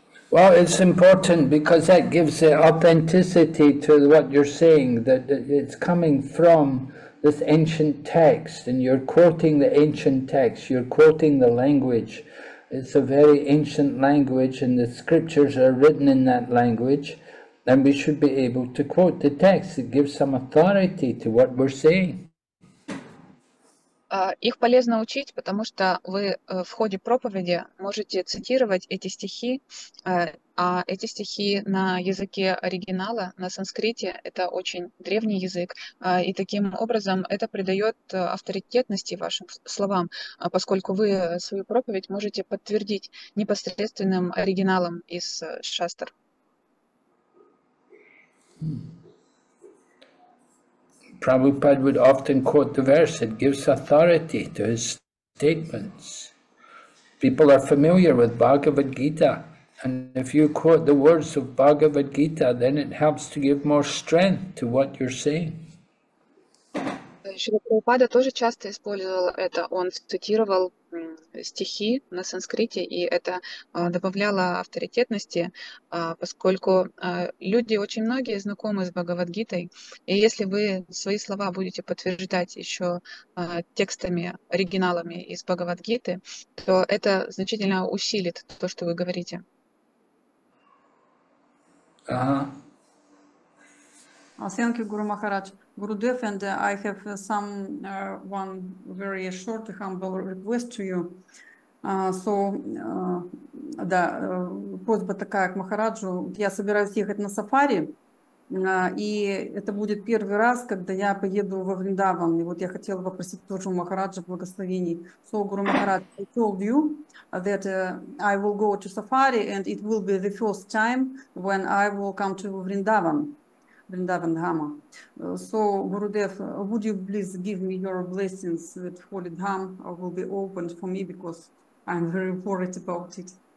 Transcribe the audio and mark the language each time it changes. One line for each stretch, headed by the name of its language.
English: Well, it's important because that gives the authenticity to what you're saying, that it's coming from this ancient text, and you're quoting the ancient text, you're quoting the language. It's a very ancient language, and the scriptures are written in that language, and we should be able to quote the text. It gives some authority to what we're saying.
Russian: Их полезно учить, потому что вы в ходе проповеди можете цитировать эти стихи, а эти стихи на языке оригинала, на санскрите, это очень древний язык, и таким образом это придает авторитетности вашим словам, поскольку вы свою проповедь можете подтвердить непосредственным оригиналом из шастр.
English: Prabhupada would often quote the verse, it gives authority to his statements. People are familiar with Bhagavad Gita, and if you quote the words of Bhagavad Gita, then it helps to give more strength to what you're saying.
Russian: Шри Прабхупада тоже часто использовал это. Он цитировал стихи на санскрите, и это добавляло авторитетности, поскольку люди очень многие знакомы с Бхагавадгитой, и если вы свои слова будете подтверждать еще текстами, оригиналами из Бхагавадгиты, то это значительно усилит то, что вы говорите.
English: Thank you, Guru Maharaj. Gurudev, and I have some one very short humble request to you.
Russian: Просьба такая к Махараджу. Я собираюсь ехать на сафари, И это будет первый раз, когда я поеду во Вриндаван. И вот я хотела попросить тоже у Махараджа благословений.
English: So, Guru Maharaj, I told you that I will go to safari and it will be the first time when I will come to Vrindavan, Vrindavan Dhamma. So, Gurudev, would you please give me your blessings that Holy Dhamma will be opened for me because I'm very worried about it.